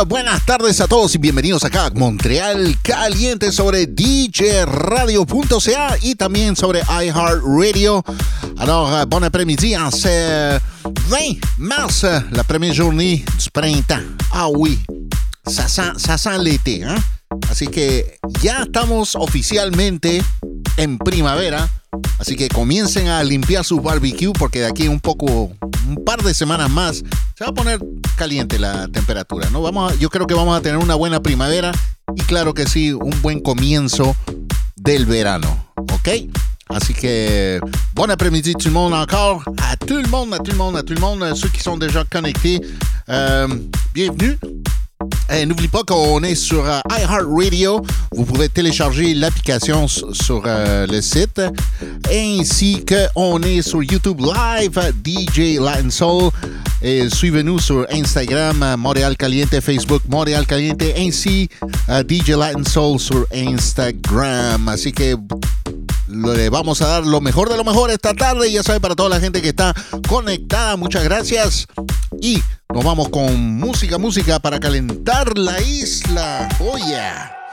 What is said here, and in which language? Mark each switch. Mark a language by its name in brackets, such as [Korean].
[Spanish] Buenas tardes a todos y bienvenidos acá a Montreal Caliente sobre DJRadio.ca y también sobre iHeartRadio. [French] Alors, bon après-midi, en ce 20 mars, la première journée du printemps. Ah oui, ça sent l'été, hein? [Spanish] Así que ya estamos oficialmente en primavera, así que comiencen a limpiar su barbecue porque de aquí un par de semanas más se va a poner caliente la temperatura, ¿no? Yo creo que vamos a tener una buena primavera y claro que sí, un buen comienzo del verano, ¿ok? Así que, [French] bon après-midi tout le monde encore, a tout le monde, a tout le monde, a tout le monde, a ceux qui sont déjà connectés, bienvenue. Et n'oublie pas qu'on est sur iHeartRadio. Vous pouvez télécharger l'application sur le site. Ainsi qu'on est sur YouTube Live, DJ Latin Soul. Et suivez-nous sur Instagram, Montréal Caliente, Facebook, Montréal Caliente. Ainsi, DJ Latin Soul sur Instagram. [Spanish] Así que le vamos a dar lo mejor de lo mejor esta tarde. Ya saben, para toda la gente que está conectada, muchas gracias. Y nos vamos con música para calentar la isla. [English] Oh yeah.